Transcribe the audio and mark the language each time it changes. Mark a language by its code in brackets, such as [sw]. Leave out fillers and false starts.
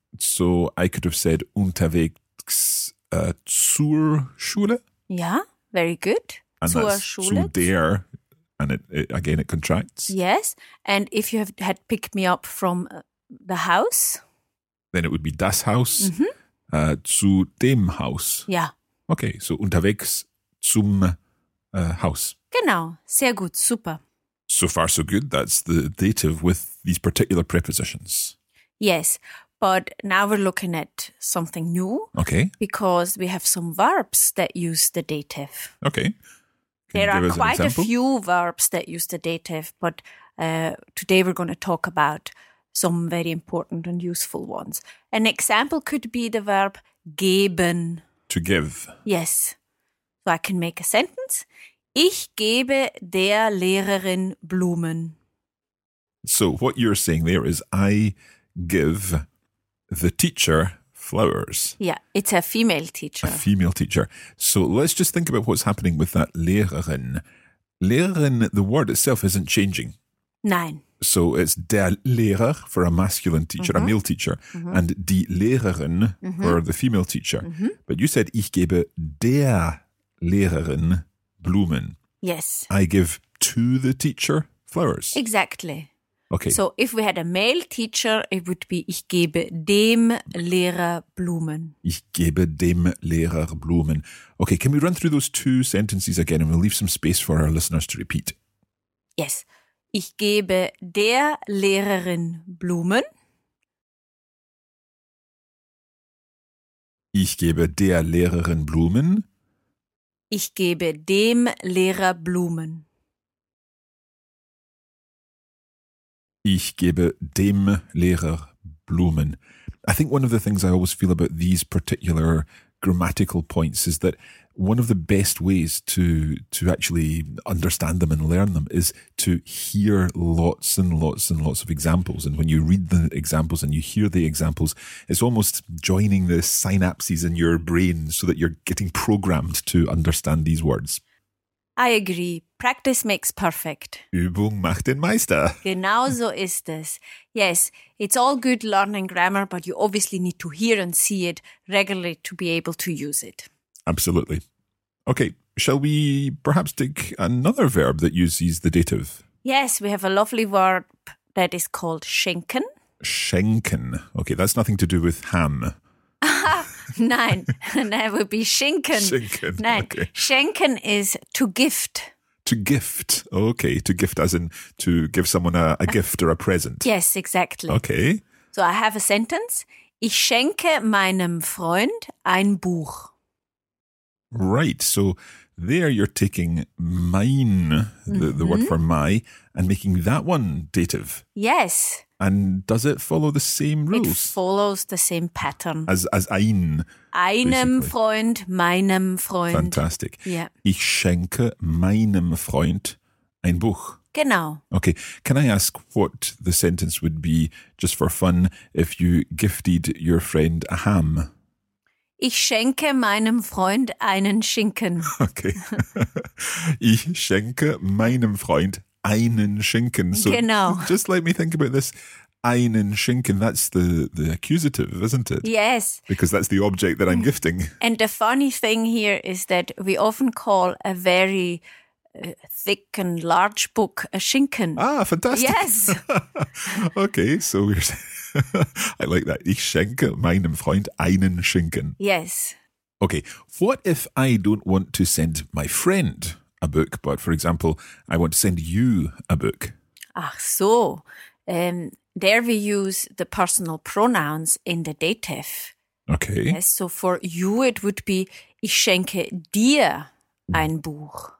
[en] So I could have said [de] unterwegs zur Schule. [en] Yeah, very good. And [de] zur [en] that's [de] Schule. Zu der, [en] and it again it contracts. Yes, and if you had picked me up from the house? Then it would be [de] das Haus. Mm-hmm. Zu dem Haus. Ja. Okay, so unterwegs zum Haus. Genau, sehr gut, super. [en] So far so good, that's the dative with these particular prepositions. Yes, but now we're looking at something new. Okay. Because we have some verbs that use the dative. Okay. There are quite a few verbs that use the dative, but today we're going to talk about some very important and useful ones. An example could be the verb geben. To give. Yes. So I can make a sentence. [de] Ich gebe der Lehrerin Blumen. [en] So what you're saying there is I give the teacher flowers. Yeah, it's a female teacher. A female teacher. So let's just think about what's happening with that Lehrerin. Lehrerin, the word itself isn't changing. [de] Nein. [en] So it's [de] der Lehrer [en] for a masculine teacher, mm-hmm. a male teacher, mm-hmm. and [de] die Lehrerin [en] mm-hmm. for the female teacher. Mm-hmm. But you said, [de] ich gebe der Lehrerin Blumen. [en] Yes. I give to the teacher flowers. Exactly. Okay. So if we had a male teacher, it would be, [de] ich gebe dem Lehrer Blumen. Ich gebe dem Lehrer Blumen. [en] Okay, can we run through those two sentences again and we'll leave some space for our listeners to repeat? Yes. [de] Ich gebe der Lehrerin Blumen. Ich gebe der Lehrerin Blumen. Ich gebe dem Lehrer Blumen. Ich gebe dem Lehrer Blumen. [en] I think one of the things I always feel about these particular grammatical points is that one of the best ways to actually understand them and learn them is to hear lots and lots and lots of examples. And when you read the examples and you hear the examples, it's almost joining the synapses in your brain so that you're getting programmed to understand these words. I agree. Practice makes perfect. [de] Übung macht den Meister. Genau so ist es. [en] Yes, it's all good learning grammar, but you obviously need to hear and see it regularly to be able to use it. Absolutely. Okay, shall we perhaps take another verb that uses the dative? Yes, we have a lovely verb that is called schenken. [de] Schenken. [en] Okay, that's nothing to do with ham. [de] Nein, [en] that would be schenken. [de] Schenken, nein. [en] Okay. Schenken is to gift. To gift. Okay, to gift as in to give someone a gift or a present. Yes, exactly. Okay. So I have a sentence. [de] Ich schenke meinem Freund ein Buch. [en] Right, so there you're taking mein, the word for my, and making that one dative. Yes. And does it follow the same rules? It follows the same pattern. As ein. [de] Einem [en] basically. [de] Freund, meinem Freund. [en] Fantastic. Yeah. [de] Ich schenke meinem Freund ein Buch. Genau. [en] Okay, can I ask what the sentence would be, just for fun, if you gifted your friend a ham? [de] Ich schenke meinem Freund einen Schinken. [en] Okay. [de] Ich schenke meinem Freund einen Schinken. So genau. [en] Just let me think about this. [de] Einen Schinken, [en] that's the accusative, isn't it? Yes. Because that's the object that I'm gifting. And the funny thing here is that we often call a very thick and large book a Schinken. Ah, fantastic. Yes. Okay, so we're saying, I like that. [de] Ich schenke meinem Freund einen Schinken. [en] Yes. Okay. What if I don't want to send my friend a book, but for example, I want to send you a book? [de] Ach so. [en] There we use the personal pronouns in the dative. Okay. Yes, so for you, it would be [de] ich schenke dir ein Buch.